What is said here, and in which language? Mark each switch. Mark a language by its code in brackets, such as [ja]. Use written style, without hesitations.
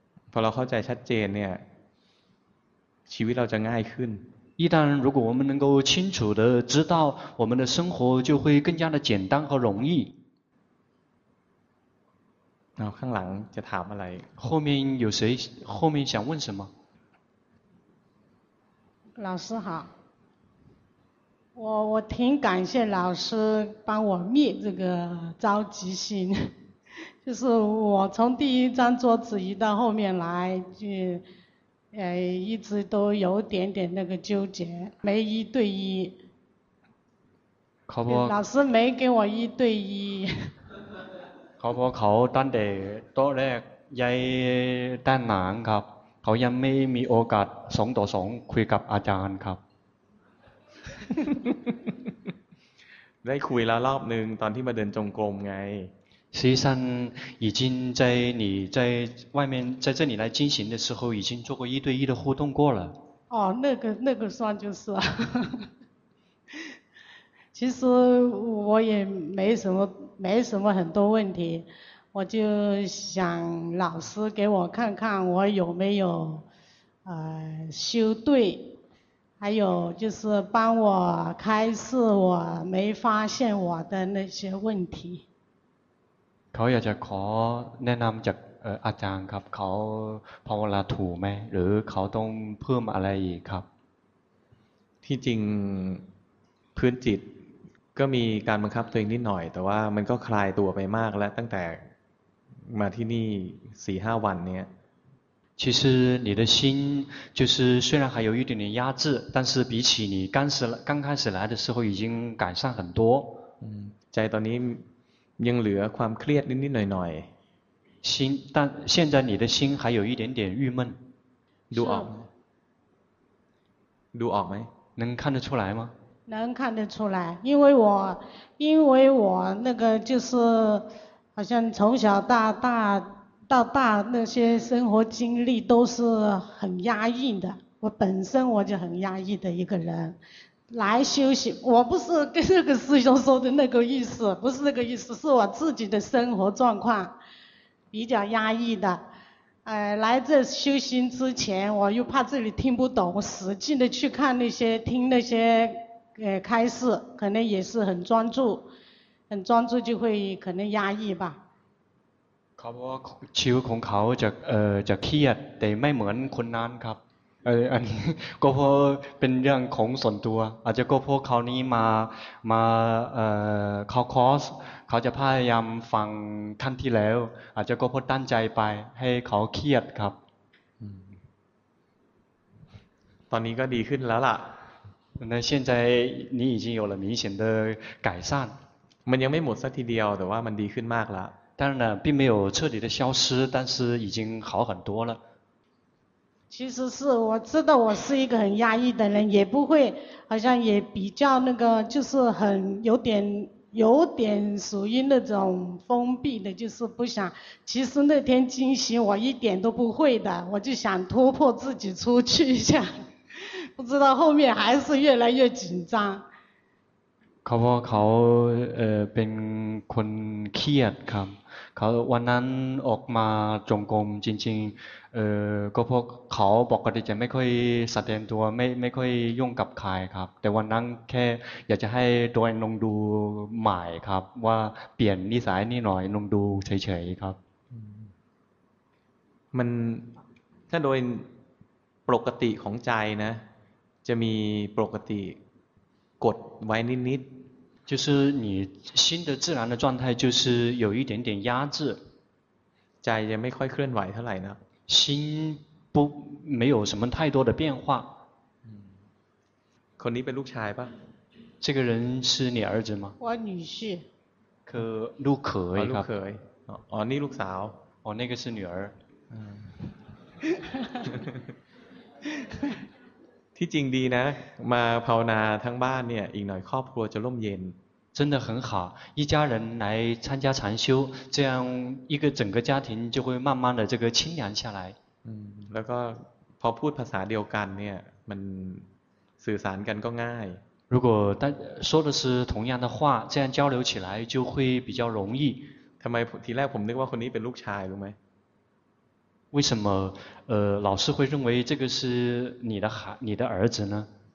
[th] พอเราเข้าใจชัดเจนเนี่ยชีวิตเราจะง่ายขึ้น [zh] 一旦如果我们能够清楚的知道我们的生活就会更加的简单和容易然后 [th] ข้างหลังจะถามอะไร [zh] 后面有谁后面想问什么老师好我挺感谢老师帮我灭这个着急心就是我从第一张桌子移到后面来就一直都有点点那个纠结没一对一考不老师没给我一对一考不考但得多叻也但难 [th] ครับเขายังไม่มีโอกาส2ต่อ2คุยกับอาจารย์ครับ ได้คุยแล้วรอบนึงตอนที่มาเดินจงกรมไง [zh] ซีซั่น已经在你在外面在这里来进行的时候已经做过一对一的互动过了哦那个算就是其实我也没什么很多问题我就想老师给我看看我有没有修对还有就是帮我开示我没发现我的那些问题 [th] เขาอยากจะขอแนะนำจากอาจารย์ครับเขาภาวนาถูกไหมหรือเขาต้องเพิ่มอะไรอีกครับ ที่จริงพื้นจิตก็มีการบังคับตัวเองนิดหน่อยแต่ว่ามันก็คลายตัวไปมากแล้วตั้งแต่มาที่นี่สี่ห้าวันนี้ [zh] 其实你的心就是虽然还有一点点压制但是比起你刚开始来的时候已经改善很多 [th] 在ตอนนี้ยังเหลือความเครียดนิดๆหน่อย [zh] ๆ心但现在你的心还有一点点郁闷 [th] ดูออกไหม [zh] 能看得出来吗能看得出来因为我那个就是好像从小到大那些生活经历都是很压抑的我本身我就很压抑的一个人来修行我不是跟那个师兄说的那个意思不是那个意思是我自己的生活状况比较压抑的来这修行之前我又怕这里听不懂我使劲的去看那些听那些开示可能也是很专注就会可能压抑吧 [th] เขาบอกว่าชีวิตของเขาจะเครียดแต่ไม่เหมือนคนนั้นครับอันนี้ก็เพราะเป็นเรื่องของส่วนตัวอาจจะก็เพราะเขานี้มาเขาคอร์สเขาจะพยายามฟังท่านที่แล้วอาจจะก็เพราะตั้งใจไปให้เขาเครียดครับ ตอนนี้ก็ดีขึ้นแล้วล่ะ [zh] 那现在你已经有了明显的改善 [th] มันยังไม่หมดสักทีเดียวแต่ว่ามันดีขึ้นมากแล้ว [zh] 当然了并没有彻底的消失但是已经好很多了其实是我知道我是一个很压抑的人也不会好像也比较那个就是很有点属于那种封闭的就是不想其实那天惊喜我一点都不会的我就想突破自己出去一下不知道后面还是越来越紧张 [th] เพราะเขาเป็นคนเครียดครับเขาวันนั้นออกมาจงกรมจริงๆก็พวกเขาปกติจะไม่ค่อยสแสดงตัวไม่ค่อยยุ่งกับใครครับแต่วันนั้นแค่อยากจะให้ตัวเองลงดูใหม่ครับว่าเปลี่ยนนิสัยนี่หน่อยลงดูเฉยๆครับ มันถ้าโดยปกติของใจนะจะมีปกติกดไว้นิดๆ [zh] 就是你心的自然的状态就是有一点点压制 [th] ใจยังไม่ค่อยเคลื่อนไหวเท่าไหร่นะ [zh] 心不没有什么太多的变化 [th] คนนี้เป็นลูกชายป่ะ [zh] 这个人是你儿子吗我女婿 [th] คือลูกเขยครับ ลูกเขยอ๋อนี่ลูกสาว [zh] อ๋อ那个是女儿 [th] ที่จริงดีนะมาภาวนาทั้งบ้านเนี่ยอีกหน่อยครอบครัวจะร่มเย็น [zh] 真的很好一家人来参加禅修这样一个整个家庭就会慢慢的这个清凉下来 [th] แล้วก็พอพูดภาษาเดียวกันเนี่ยมันสื่อสารกันก็ง่าย [zh] 如果但说的是同样的话这样交流起来就会比较容易 [th] ทำไมทีแรกผมนึกว่าคนนี้เป็นลูกชายรู้ไหม [zh] 为什么老师会认为这个是你的孩你的儿子呢？